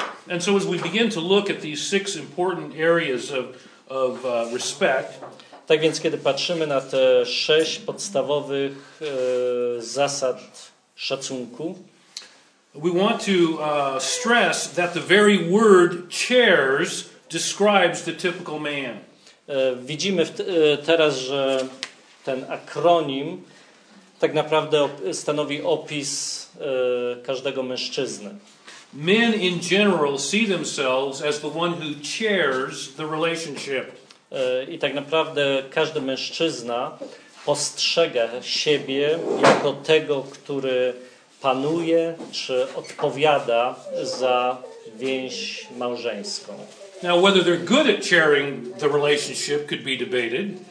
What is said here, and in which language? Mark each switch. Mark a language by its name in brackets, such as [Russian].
[English] And so as we begin to look at these six important areas of respect. [Polish] Tak więc, kiedy patrzymy na te sześć podstawowych zasad szacunku, [English] we want to stress that the very word chairs describes the typical man. [Polish] Widzimy teraz, że ten akronim tak naprawdę stanowi opis każdego mężczyzny. [English] Men in general see themselves as the one who chairs the relationship. [Polish] I tak naprawdę każdy mężczyzna postrzega siebie jako tego, który panuje czy odpowiada za więź małżeńską. [English] Now whether they're good at chairing the relationship could be debated.